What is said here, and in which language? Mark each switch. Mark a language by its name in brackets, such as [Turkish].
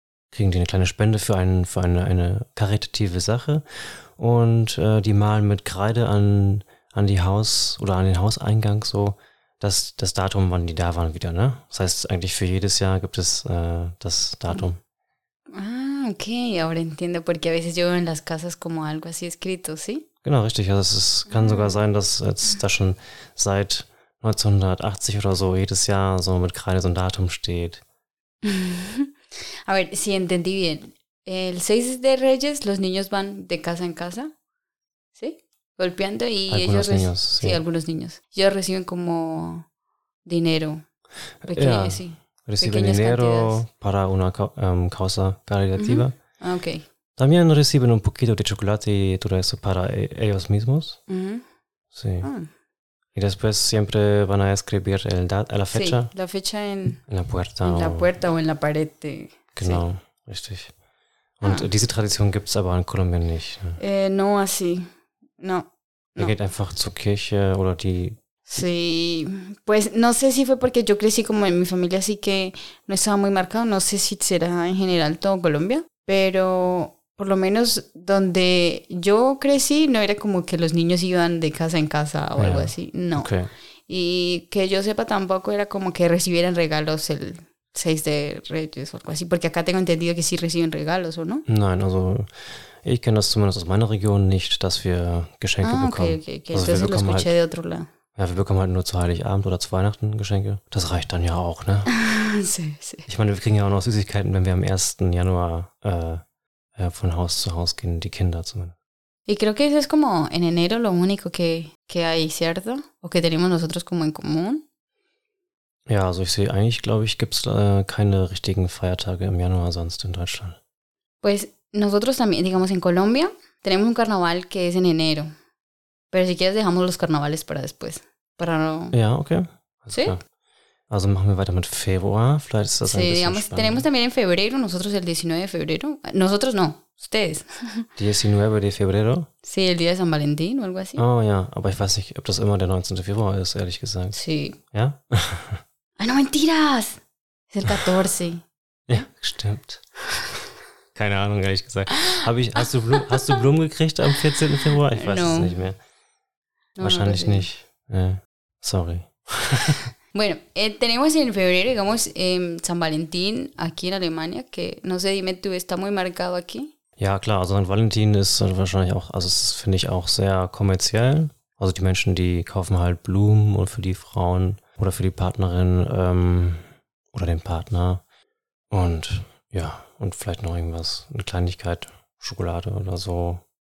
[German] kriegen die eine kleine Spende für eine karitative Sache und die malen mit Kreide an die Haus oder an den Hauseingang so das Datum, wann die da waren wieder, ne? Das heißt, eigentlich für jedes Jahr gibt es das Datum. [Spanish] Ah, okay, ahora entiendo porque a veces yo en las casas como algo así escrito, ¿sí? [German] Genau, richtig. Also es kann sogar sein, dass jetzt da schon seit 1980 oder so jedes Jahr so mit Kreide so ein Datum steht. [Spanish] A ver, si entendí bien, el 6 de Reyes los niños van de casa en casa, ¿sí? Golpeando y algunos reciben... Algunos niños, sí. Sí, algunos niños. Ellos reciben como dinero, pequeño, yeah. Sí. Reciben dinero cantidades. Para una causa caritativa. Mm-hmm. Ok. También reciben un poquito de chocolate y todo eso para ellos mismos. Mm-hmm. Sí. Y después siempre van a escribir la fecha. Sí, la fecha en la puerta. En la puerta o en la pared. [German] Genau, sí. Richtig. Und diese Tradition gibt es aber in Kolumbien nicht. [Spanish] No, así. No. [German] Ihr geht einfach zur Kirche oder die... [Spanish] Sí, pues no sé si fue porque yo crecí como en mi familia, así que no estaba muy marcado. No sé si será en general todo Colombia, pero... Por lo menos donde yo crecí, no era como que los niños iban de casa en casa o algo así. No. Okay. Y que yo sepa, tampoco era como que recibieran regalos el 6 de Reyes o algo así. Porque acá tengo entendido que sí reciben regalos, ¿o no? [German] Nein, also ich kenne das zumindest aus meiner Region nicht, dass wir Geschenke bekommen. Ah, okay. [Spanish] Also entonces lo escuché halt, de otro lado. [German] Ja, wir bekommen halt nur zu Heiligabend oder zu Weihnachten Geschenke. Das reicht dann ja auch, ne? [Spanish] Sí, sí. [German] Ich meine, wir kriegen ja auch noch Süßigkeiten, wenn wir am 1. Januar... von Haus zu Haus gehen, die Kinder zumindest. [Spanish] Y creo que eso es como en enero lo único que hay, ¿cierto? O que tenemos nosotros como en común. [German] Ja, also ich sehe eigentlich, glaube ich, gibt es keine richtigen Feiertage im Januar sonst in Deutschland. [Spanish] Pues Nosotros también, digamos, en Colombia tenemos un carnaval que es en enero. Pero si quieres dejamos los carnavales para después. Para no... [German] Ja, okay. [Spanish] Sí. [German] Also machen wir weiter mit Februar. Vielleicht ist das [Spanish] sí, [German] ein bisschen digamos, spannend. [Spanish] Tenemos también en febrero, nosotros el 19 de febrero. Nosotros no, ustedes. 19 de febrero? Sí, el día de San Valentín o algo así. [German] Oh ja, aber ich weiß nicht, ob das immer der 19. Februar ist, ehrlich gesagt. [Spanish] Sí. [German] Ja? [Spanish] Ah, no, mentiras! Es el 14. [German] Ja, stimmt. Keine Ahnung, ehrlich gesagt. Hast du Blumen gekriegt am 14. Februar? Ich weiß es nicht mehr. No, wahrscheinlich no, nicht. Sorry. [Spanish] Bueno, tenemos en febrero, digamos, San Valentín aquí en Alemania, que no sé, dime tú, ¿está muy marcado aquí? [German] Ja, klar, also San Valentín ist wahrscheinlich auch, also das finde ich auch sehr kommerziell. Also die Menschen, die kaufen halt Blumen und für die Frauen oder für die Partnerin oder den Partner. Und ja, und vielleicht noch irgendwas, eine Kleinigkeit, Schokolade oder so.